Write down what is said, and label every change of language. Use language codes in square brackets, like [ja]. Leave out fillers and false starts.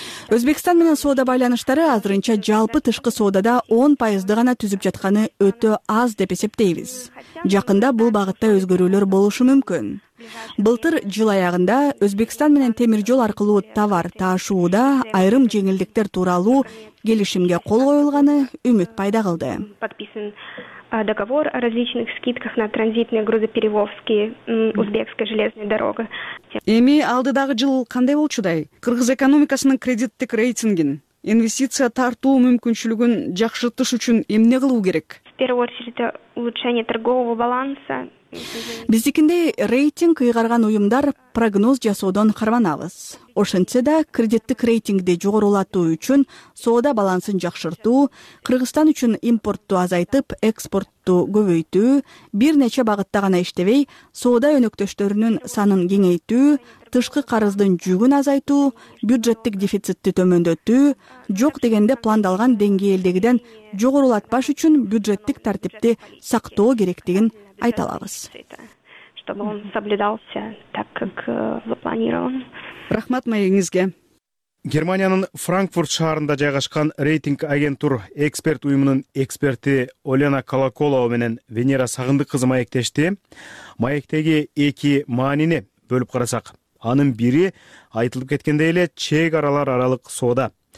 [ky] Өзбекстан менен соода байланыштары азырынча жалпы тышкы соодада 10% гана түзүп жатканы өтө аз деп эсептейбиз. Жакында бул багытта өзгөрүүлөр болушу мүмкүн. Былтыр жыл аягында Өзбекстан менен темир жол аркылуу товар таашууда айрым жеңилдиктер тууралуу келишимге кол коюлганы үмүт пайда кылды. [ru] Договор о различных скидках на транзитные грузоперевозки узбекской железной дороги. [ky] Эми алдыдагы жыл кандай болчудай? Кыргыз экономикасынын кредиттик рейтингин, инвестиция тартуу мүмкүнчүлүгүн жакшыртыш үчүн эмне кылуу керек? [ru] В первую очередь, улучшение торгового баланса. [ky] Биздикиндей рейтинг ыйгарган уюмдар прогноз жасоодон карманабыз. Ошентсе да кредиттик рейтингди жогорулатуу үчүн соода балансын жакшыртуу, Кыргызстан үчүн импортту азайтып, экспортту көбөйтүү, бир нече багытта гана иштебей, соода өнөктөштөрүнүн санын кеңейтүү, тышкы карыздын жүгүн азайтуу, бюджеттик дефицитти төмөндөтүү, жок дегенде пландалган деңгээлдегиден жогорулатпаш үчүн бюджеттик тартипти сактоо керектигин айта алабыз. [ru] Чтобы он соблюдался так, как запланирован. [ky] Рахмат маегиңизге. Германиянын Франкфурт шаарында жайгашкан рейтинг агенттур эксперт уюмунун эксперти Олена Колоколова менен Венера Сагындык кызы маектешти. Маектеги эки маанини бөлүп карасак, анын бири айтылып кеткендей эле чек аралык соода.